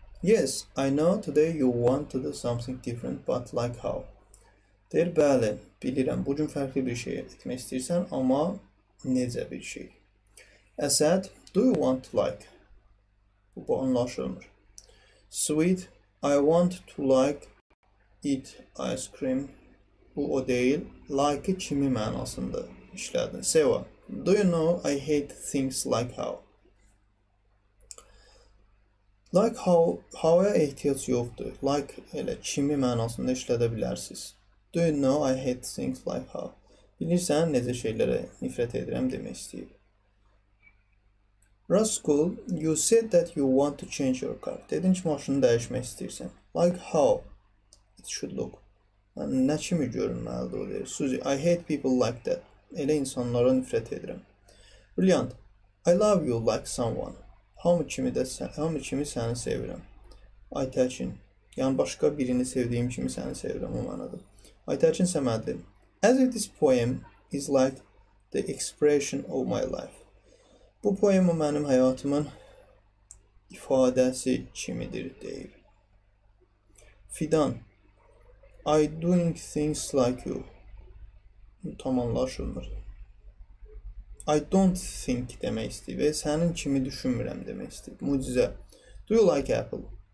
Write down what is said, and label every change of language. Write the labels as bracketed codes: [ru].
[en] Yes, I know today you want to do something different, but like how? [az] Deyir, bəli, bilirəm, bugün fərqli bir şey etmək istəyirsən, amma necə bir şey? [en] Əsəd, do you want to like? [az] Bu anlaşılmır. [en] Sweet, I want to like eat ice cream. [az] Bu o deyil, like kimi mənasında işlədin. [en] Seva, do you know I hate things like how? [az] Like how'a ehtiyac yoxdur. Like elə kimi mənasında işlədə bilərsiniz. [en] Do you know I hate things like how? [az] Bilirsən necə şeylərə nifrət edirəm demək istəyib. [en] Rascal, you said that you want to change your car. [az] Dedin ki, maşını dəyişmək istəyirsən. [en] Like how it should look. [az] Nə kimi görünməlidir o deyir. Suzy, [en] I hate people like that. [az] Elə insanlara nifrət edirəm. [en] Brilliant, I love you like someone. [az] Hamı kimi səni sevirəm. Aytəkin, yəni başqa birini sevdiyim kimi səni sevirəm o mənadır. [en] Aytəkin Səmədli, as if this poem is like the expression of my life. [az] Bu poem o mənim həyatımın ifadəsi kimidir deyir. [en] Fidan, I doing things like you. [az] Bu tam anlaşılmır. [en] I don't think [az] demək istəyir və sənin kimi düşünmürəm demək istəyir. Mucizə. [en] Do you like apple?